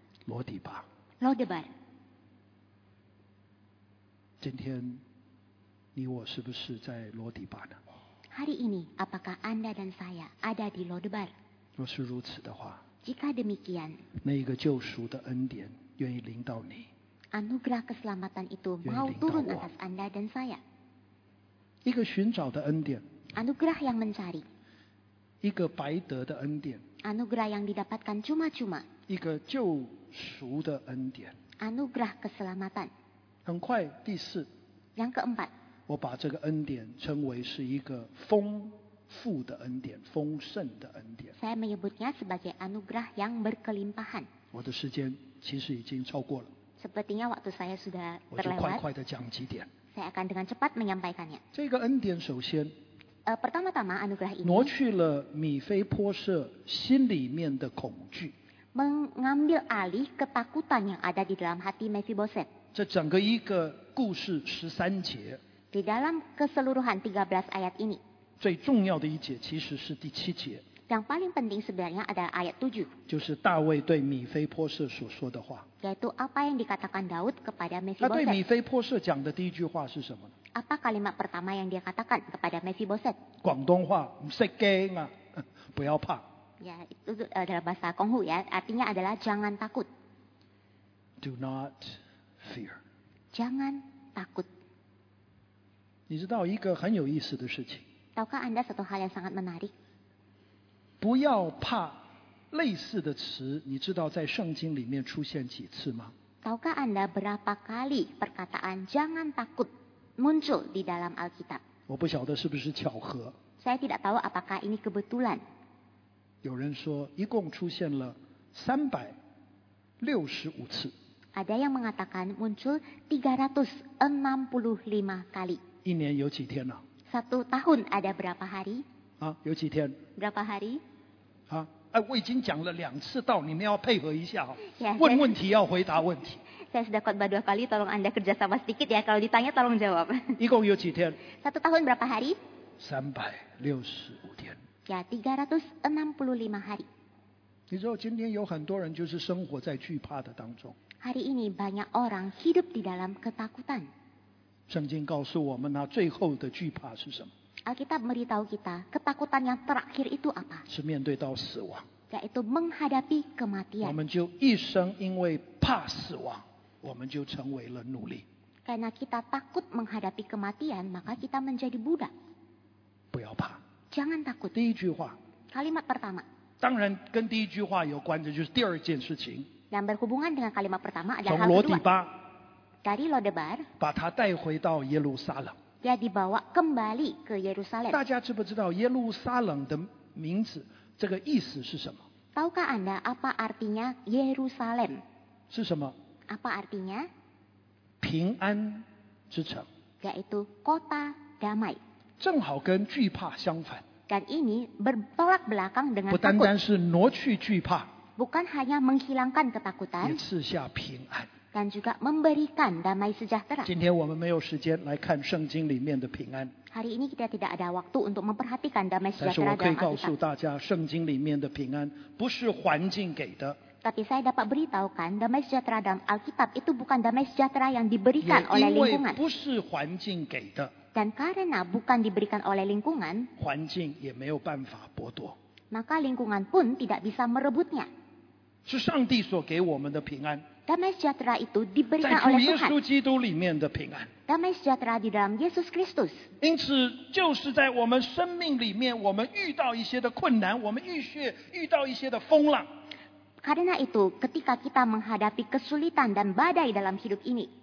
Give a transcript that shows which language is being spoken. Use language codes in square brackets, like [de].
[zh] Lodebar 今天你我是不是在 Lodebar 呢 [id] hari ini apakah anda dan saya ada di Lodebar [zh] 若是如此的话 [id] Jika demikian [zh] 那一个救赎的恩典愿意临到你 [id] anugerah keselamatan itu mau turun atas Anda dan saya. [zh] 一个寻找的恩典。 [id] Anugerah yang mencari. [zh] 一个白得的恩典。 [id] Anugerah yang didapatkan cuma-cuma. [zh] 一个救赎的恩典。 [id] Anugerah keselamatan. [zh] 很快第四。 [id] Yang keempat. [zh] 我把这个恩典称为是一个丰富的恩典，丰盛的恩典。 [id] Saya menyebutnya sebagai anugerah yang berkelimpahan. [zh] 我的时间其实已经超过了。 [id] Sepertinya waktu saya sudah berlewat. [zh] 我就快快地讲几点。 [id] Saya akan dengan cepat menyampaikannya. [zh] 这个恩典首先。 [id] Pertama-tama anugerah ini. [zh] 挪去了米非波设心里面的恐惧。 [id] Mengambil alih ketakutan yang ada di dalam hati Mephiboset. [zh] 这整个一个故事十三节。 [id] Di dalam keseluruhan 13 ayat ini. [zh] 最重要的一节其实是第七节。 [id] Yang paling penting sebenarnya ada ayat 7. [zh] 就是大卫对米非波设所说的话。 [id] Yaitu apa yang dikatakan Daud kepada Mephiboset. [zh] 那对米非波设讲的第一句话是什么呢？ [id] Apa kalimat pertama yang dia katakan kepada Mephiboset? [zh] 广东话，唔识惊啊，不要怕。 [id] Ya, itu adalah bahasa Konghu ya, artinya adalah jangan takut. [en] Do not fear. [id] Jangan takut. [zh] 你知道一个很有意思的事情。 [id] Tahukah Anda satu hal yang sangat menarik? [zh] 不要怕，类似的词，你知道在圣经里面出现几次吗？ [id] Tahukah anda berapa kali perkataan jangan takut muncul di dalam Alkitab? [zh] 我不晓得是不是巧合。 [id] Saya tidak tahu apakah ini kebetulan. [zh] 有人说一共出现了365次。 [id] Ada yang mengatakan muncul 365 kali. [zh] 一年有几天啊？ [id] Satu tahun ada berapa hari? [zh] 啊，有几天 [id] ？Berapa hari？ [zh] 啊，哎，我已经讲了两次道，你们要配合一下哈。问问题要回答问题。 [id] Saya sudah khotbah dua kali, tolong anda kerjasama sedikit ya. Kalau ditanya, tolong jawab. [zh] 一共有几天 [id] ？Satu tahun berapa hari？ [zh] 365天。 [id] Ya, 365 hari。 [zh] 你知道今天有很多人就是生活在惧怕的当中。 [id] Hari ini banyak orang hidup di dalam ketakutan。 [zh] 圣经告诉我们，那最后的惧怕是什么？ [id] Alkitab beritahu kita ketakutan yang terakhir itu apa? [zh] 是面对到死亡。 [id] Yaitu menghadapi kematian. [zh] 我们就一生因为怕死亡，我们就成为了奴隶。 [id] Karena kita takut menghadapi kematian, maka kita menjadi budak. [zh] 不要怕。 [id] Jangan takut. [zh] 第一句话。 [id] Kalimat pertama. [zh] 当然跟第一句话有关的就是第二件事情。 [id] Yang berhubungan dengan kalimat pertama adalah hal kedua. [zh] 从罗底巴。 [id] Dari Lodebar. [zh] 把他带回到耶路撒冷。 [id] Dia dibawa kembali ke Yerusalem. [zh] 大家知不知道耶路撒冷的名字这个意思是什么？ [id] Tahukah anda apa artinya Yerusalem? [zh] 是什么？ [id] Apa artinya? [zh] 平安之城。 [id] Yaitu kota damai. [zh] 正好跟惧怕相反。 [id] Dan ini bertolak belakang dengan takut. [zh] 不单单是挪去惧怕。 [id] Bukan hanya menghilangkan ketakutan. [zh] 也赐下平安。 [id] Dan juga memberikan damai sejahtera. [zh] 今天我们没有时间来看圣经里面的平安。 [id] Hari ini kita tidak ada waktu untuk memperhatikan damai sejahtera. [zh] 但是我可以告诉大家，圣经里面的平安不是环境给的。 [id] Tapi saya dapat beritahukan, damai sejahtera dalam Alkitab itu bukan damai sejahtera yang diberikan oleh lingkungan. [zh] 也因为不是环境给的。 [id] Dan karena bukan diberikan oleh lingkungan, [zh] 环境也没有办法剥夺。 [id] Maka lingkungan pun tidak bisa merebutnya. [zh] 是上帝所给我们的平安。 [id] Damai sejahtera itu diberikan oleh Tuhan. [zh] 在主耶稣基督里面的平安。 [id] Damai sejahtera di dalam Yesus Kristus. [zh] 因此，就是在我们生命里面，我们遇到一些的困难，我们遇到一些的风浪。 [id] Karena itu, ketika kita menghadapi kesulitan dan badai dalam hidup ini,